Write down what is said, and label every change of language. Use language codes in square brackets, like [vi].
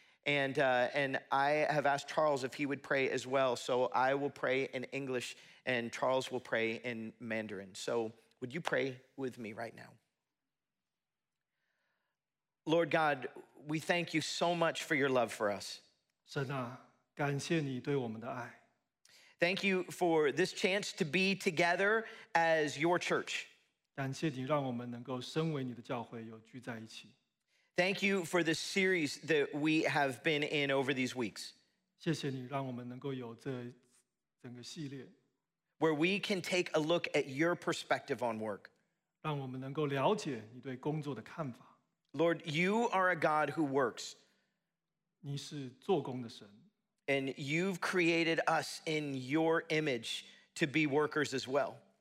[en] And I have asked Charles if he would pray as well. So I will pray in English and Charles will pray in Mandarin. So would you pray with me right now? Lord God, we thank you so much for your love for us. [zh] 神啊, 感谢你对我们的爱。 [en] Thank you for this chance to be together as your church. [zh] 感谢你让我们能够身为你的教会有聚在一起。 [en] Thank you for this series that we have been in over these weeks. [zh] 谢谢你让我们能够有这整个系列。 [en] Where we can take a look at your perspective on work. [zh] 让我们能够了解你对工作的看法。 [en] Lord, you are a God who works. [zh] 你是做工的神。 [en] And you've created us in your image to be workers as well.